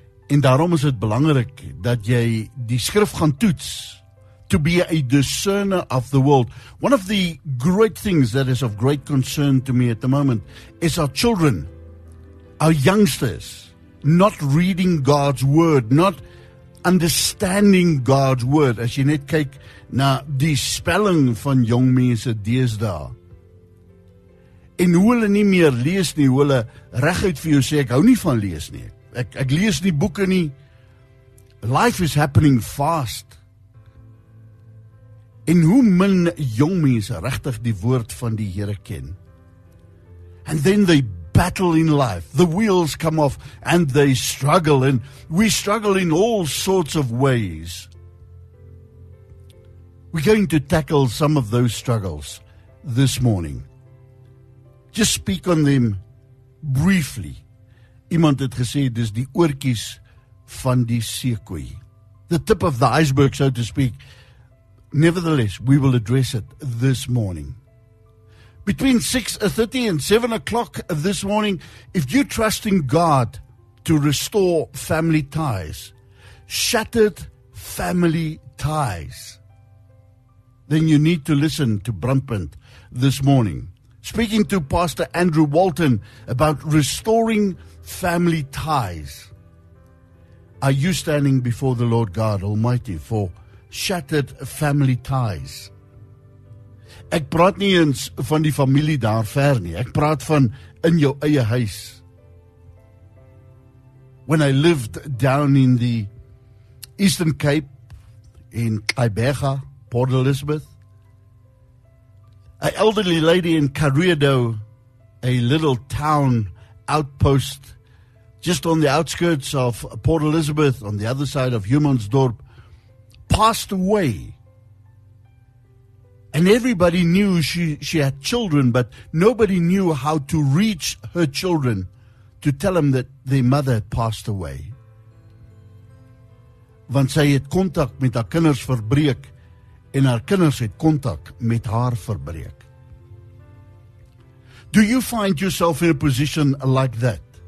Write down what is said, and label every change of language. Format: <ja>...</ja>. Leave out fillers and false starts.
<af>En daarom is het belangrik dat jy die skrif gaan toets.</af> <en>To be a discerner of the world. One of the great things that is of great concern to me at the moment is our children, our youngsters, not reading God's word, not understanding God's word.</en> <af>As jy net kyk na die spelling van jong mense deesdae. En hoe hulle nie meer lees nie, hoe hulle reguit vir jou sê, ek hou nie van lees nie. Ek lees nie boeke nie.</af> <en>Life is happening fast.</en> <af>En hoe min jong mense regtig die woord van die Here ken.</af> <en>And then they battle in life. The wheels come off and they struggle. And we struggle in all sorts of ways. We're going to tackle some of those struggles this morning. Just speak on them briefly.</en> <af>Iemand het gesê, dis die oortjies van die seekoei.</af> <en>The tip of the iceberg, so to speak. Nevertheless, we will address it this morning. Between 6:30 and 7 o'clock this morning, if you trust in God to restore family ties, shattered family ties, then you need to listen to Brandpunt this morning. Speaking to Pastor Andrew Walton about restoring family ties, are you standing before the Lord God Almighty for shattered family ties?</en> <af>Ek praat nie eens van die familie daar ver nie. Ek praat van in jou eie huis.</af> <en>When I lived down in the Eastern Cape, in Kaiberga, Port Elizabeth, an elderly lady in Carriado, a little town outpost, just on the outskirts of Port Elizabeth, on the other side of Humansdorp, passed away, and everybody knew she had children, but nobody knew how to reach her children to tell them that their mother had passed away.</en> <af>Want sy het contact met haar kinders verbreek, en haar kinders het contact met haar verbreek.</af> <en>Do you find yourself in a position like that?</en>